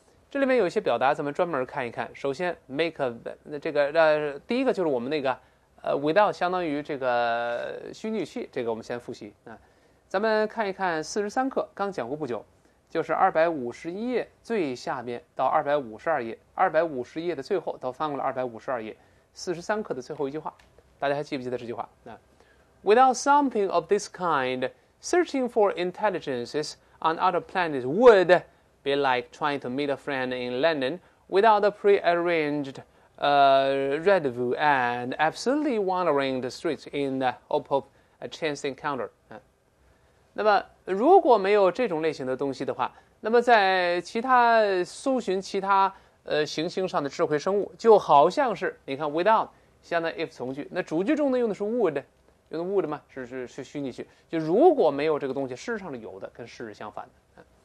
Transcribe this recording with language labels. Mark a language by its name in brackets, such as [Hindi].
[Chinese] 这里面有一些表达，咱们专门看一看。首先，make 这个第一个就是我们那个without 相当于这个虚拟器，这个我们先复习啊。咱们看一看43课，刚讲过不久，就是251页最下面到252页，250页的最后都翻过来252页，43课的最后一句话，大家还记不记得这句话？ [English] 那 without something of this kind, searching for intelligences on other planets would be like trying to meet a friend in London without a prearranged rendezvous and absolutely wandering the streets in the hope of a chance encounter。 [Chinese] 那么如果没有这种类型的东西的话，那么在其他搜寻其他行星上的智慧生物，就好像是你看 without 相当于 if 从句，那主句中呢用的是 would，用的 would 嘛，是虚拟句，就如果没有这个东西，事实上是有的，跟事实相反的。